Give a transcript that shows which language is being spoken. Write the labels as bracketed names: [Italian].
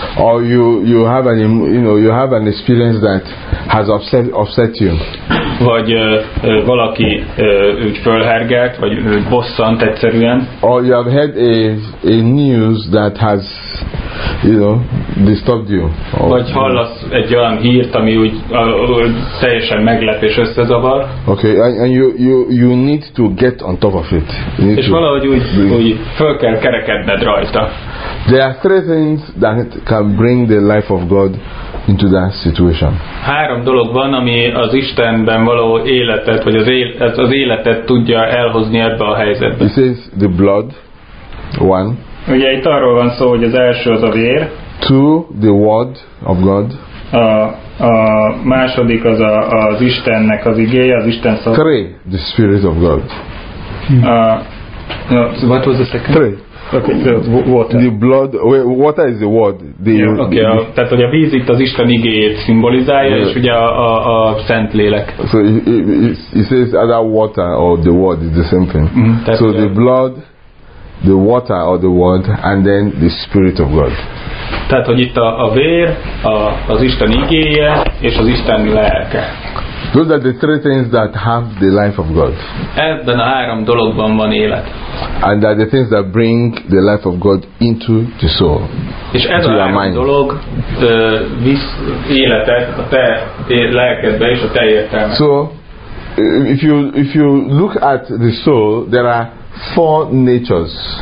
[English] Or you have an, you know, you have an experience that has upset you. [Hungarian] Vagy valaki úgy fölhergelt, vagy bosszant egyszerűen. [English] Or you have heard a news that has, you know, disturbed you. [Hungarian] Vagy hallasz egy olyan hírt, ami úgy teljesen meglep és összezavar. [English] Okay, and you need to get on top of it. [Hungarian] És valahogy úgy föl kell kerekedned rajta. [English] There are three things that can bring the life of God into that situation. [Hungarian] Három dolog van, ami az Istenben való életet, vagy az életet tudja elhozni ebbe a helyzetbe. [English] This is the blood, one. [Hungarian] Ugye itt arról van szó, hogy az első az a vér. [English] Two, the word of God. [Hungarian] A második az az Istennek az igéje, az Isten szó. [English] Three, the spirit of God. So what was the second? Three. Okay, the blood. Water is the word. [Hungarian] Tehát hogy a víz itt az Isten igéjét szimbolizálja, yeah. És ugye a Szent Lélek. [English] So it says either water or the word is the same thing. Mm-hmm. So the blood, the water or the word, and then the spirit of God. [Hungarian] Tehát hogy itt a vér, az Isten igéje és az Isten lelke. [English] Those are the three things that have the life of God. [Hungarian] Ebben a három dologban van élet. [English] And that the things that bring the life of God into the soul. [Hungarian] És ez a három mind. Dolog visz életet a te lelkedbe és a te értelmedbe. [English] So if you look at the soul, there are four natures.